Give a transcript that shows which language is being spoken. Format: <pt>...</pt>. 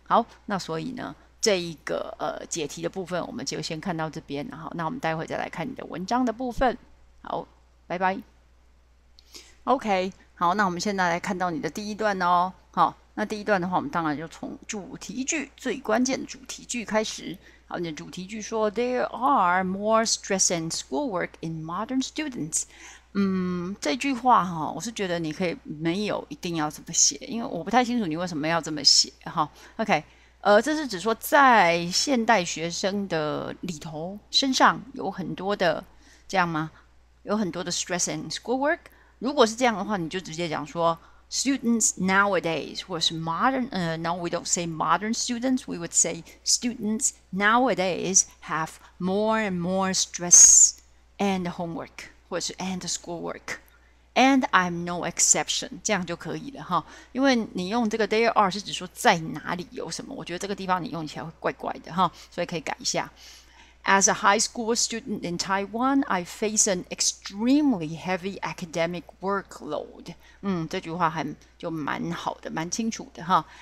<zh>好，那所以呢，这一个解题的部分我们就先看到这边，然后那我们待会再来看你的文章的部分。好，拜拜。 OK，好，那我们现在来看到你的第一段哦，好。那第一段的话，我们当然就从主题句最关键的主题句开始。好，你的主题句说：“</zh> <en>There are more stress and schoolwork in modern students。</en> <zh>”这句话哈，我是觉得你可以没有一定要这么写，因为我不太清楚你为什么要这么写哈。 OK，这是指说在现代学生的里头身上有很多的这样吗？有很多的</zh> <en>stress and schoolwork。</en> <zh>如果是这样的话，你就直接讲说。</zh> <en>Students nowadays,</en> <zh>或是</zh> <en>modern, no, we don't say modern students, we would say students nowadays have more and more stress and homework,</en> <zh>或是</zh> <en>and schoolwork, and I'm no exception,</en> <zh>这样就可以了哈。因为你用这个 there are 是指说在哪里有什么，我觉得这个地方你用起来会怪怪的哈，所以可以改一下。</zh> <en>As a high school student in Taiwan, I face an extremely heavy academic workload.</en> <zh>这句话还就蛮好的，蛮清楚的哈。</zh>